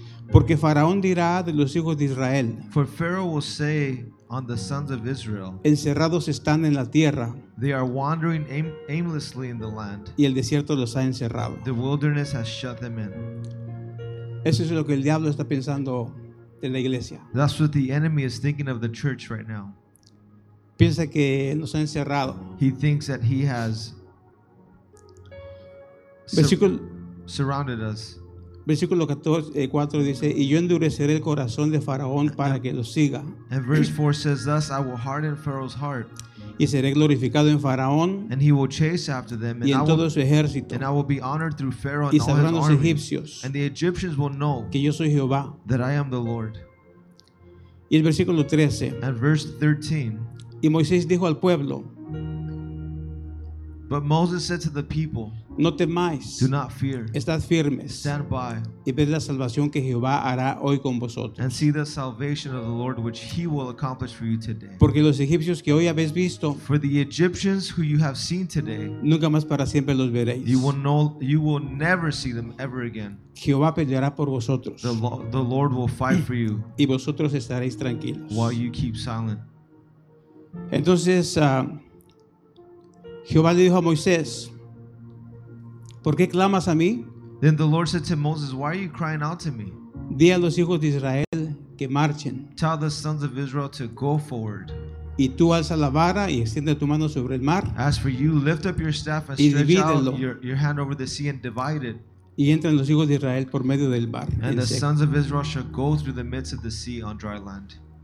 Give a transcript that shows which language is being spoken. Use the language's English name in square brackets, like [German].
[Spanish] Porque Faraón dirá de los hijos de Israel. [English] For Pharaoh will say on the sons of Israel. [Spanish] Encerrados están en la tierra. [English] They are wandering aimlessly in the land. [Spanish] Y el desierto los ha encerrado. [English] The wilderness has shut them in. [Spanish] Eso es lo que el diablo está pensando de la iglesia. [English] That's what the enemy is thinking of the church right now. [Spanish] Piensa que nos ha encerrado. [English] He thinks that he has surrounded us. [Spanish] Versículo 4 dice, y yo endureceré el corazón de Faraón para que lo siga. [English] And verse 4 says, thus I will harden Pharaoh's heart. [Spanish] Y seré glorificado en Faraón. [English] And he will chase after them. [Spanish] Y en todo su ejército. [English] And I will be honored through Pharaoh. [Spanish] Y sabrán los egipcios. [English] And the Egyptians will know. [Spanish] Que yo soy Jehová. [English] That I am the Lord. [Spanish] Y el versículo 13. [English] And verse 13. [Spanish] Y Moisés dijo al pueblo. [English] But Moses said to the people. [Spanish] No temáis. [English] Do not fear. [Spanish] Estad firmes. [English] Stand by. [Spanish] Y ved la salvación que Jehová hará hoy con vosotros. [English] And see the salvation of the Lord which he will accomplish for you today. [Spanish] Porque los egipcios que hoy habéis visto. [English] For the Egyptians who you have seen today. [Spanish] Nunca más para siempre los veréis. [English] You will never see them ever again. [Spanish] Jehová peleará por vosotros. [English] The Lord will fight for you. [Spanish] Y vosotros estaréis tranquilos. [English] While you keep silent. [Spanish] Entonces, Jehová le dijo a Moisés. ¿Por qué clamas a mí? [English] Then the Lord said to Moses, why are you crying out to me? [Spanish] Di a los hijos de Israel que marchen. [English] Tell the sons of Israel to go forward. [Spanish] Y tú alza la vara y extiende tu mano sobre el mar. [English] As for you, lift up your staff and stretch [Spanish] divídelo. [English] Out your hand over the sea and divide it. [Spanish] Y entran los hijos de Israel por medio del mar. [English] And the sons of Israel shall go through the midst of the sea on dry land.